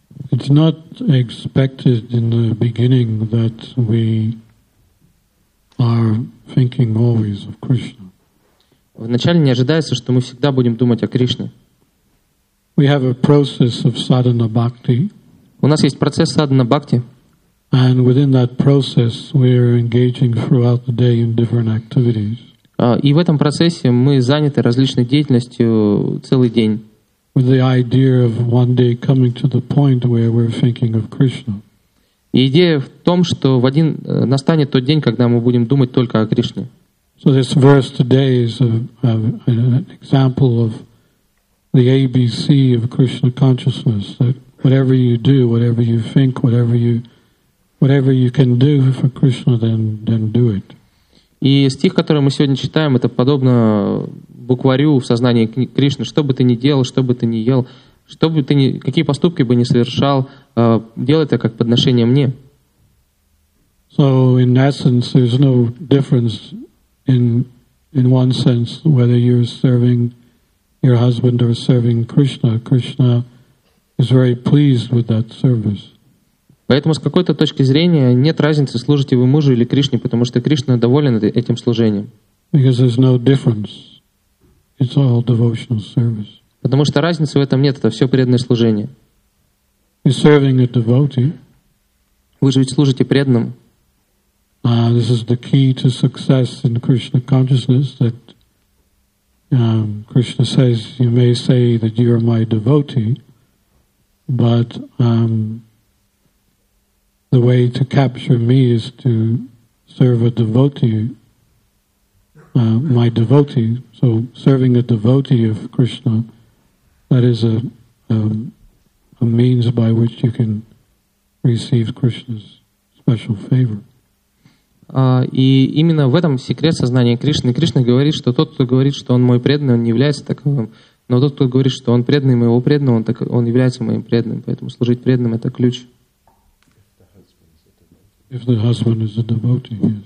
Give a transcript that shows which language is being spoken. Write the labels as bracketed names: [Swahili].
[English] It's not expected in the beginning that we are thinking always of Krishna. [Russian] Вначале не ожидается, что мы всегда будем думать о Кришне. [English] We have a process of sadhana bhakti. [Russian] У нас есть процесс sadhana bhakti. [English] And within that process, we are engaging throughout the day in different activities. [Russian] И в этом процессе мы заняты различной деятельностью целый день. [English] with the idea of one day coming to the point where we're thinking of Krishna. [Russian] И идея в том, что в один настанет тот день, когда мы будем думать только о Кришне. [English] So this verse today is an example of the ABC of Krishna consciousness, that whatever you do, whatever you think, whatever you can do for Krishna, then do it. [Russian] И стих, который мы сегодня читаем, это подобно букварю в сознании Кришны. Что бы ты ни делал, что бы ты ни ел, что бы ты ни, какие поступки бы ни совершал, делай это как подношение мне. [English] So, in essence, there's no difference in one sense whether you're serving your husband or serving Krishna. Krishna is very pleased with that service. [Russian] Поэтому с какой-то точки зрения нет разницы, служите вы мужу или Кришне, потому что Кришна доволен этим служением. [English] Because there's no difference. It's all devotional service. [Russian] Потому что разницы в этом нет, это все преданное служение. [English] You're serving a devotee. [Russian] Вы же ведь служите преданным. [English] This is the key to success in Krishna consciousness, that Krishna says, you may say that you're my devotee, but the way to capture me is to serve a devotee, my devotee. So serving a devotee of Krishna, that is a means by which you can receive Krishna's special favor. [Russian] И именно в этом секрет сознания Кришны. Кришна говорит, что тот, кто говорит, что он мой преданный, он не является таковым. Но тот, кто говорит, что он преданный моего преданного, он является моим преданным. Поэтому служить преданным — это ключ. [English] If the husband is a devotee, yes.